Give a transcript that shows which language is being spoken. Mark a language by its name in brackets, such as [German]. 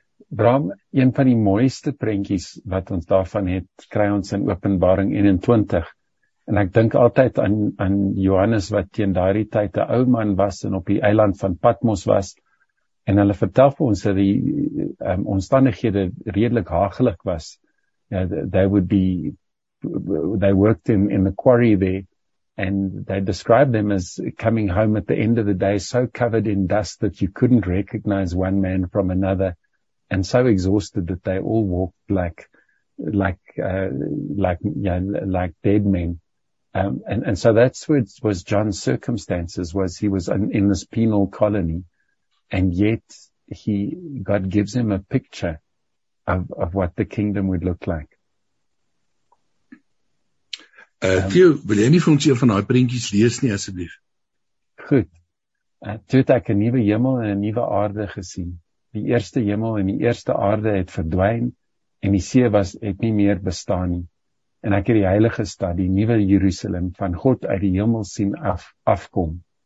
[Afrikaans] Bram, een van die mooiste prentjies wat ons daarvan het, kry ons in Openbaring 21, en ek dink altyd aan Johannes wat teen daardie tyd 'n ou man was en op die eiland van Patmos was, en hulle vertel vir ons dat die omstandighede redelik hagelig was. [English] Ja, they worked in the quarry there, and they described them as coming home at the end of the day so covered in dust that you couldn't recognize one man from another, and so exhausted that they all walked like dead men. And so that's what was John's circumstances, was he was in this penal colony, and yet God gives him a picture of what the kingdom would look like. [Afrikaans] Theo, wil jy nie vir ons een van daai prentjies lees nie asseblief? Goed. Toe het ek 'n nuwe hemel en 'n nuwe aarde gesien. Die eerste hemel en die eerste aarde het verdwyn en die see was het nie meer bestaan nie. En ek het die heilige stad, die nuwe Jerusalem van God uit die hemel sien afkom.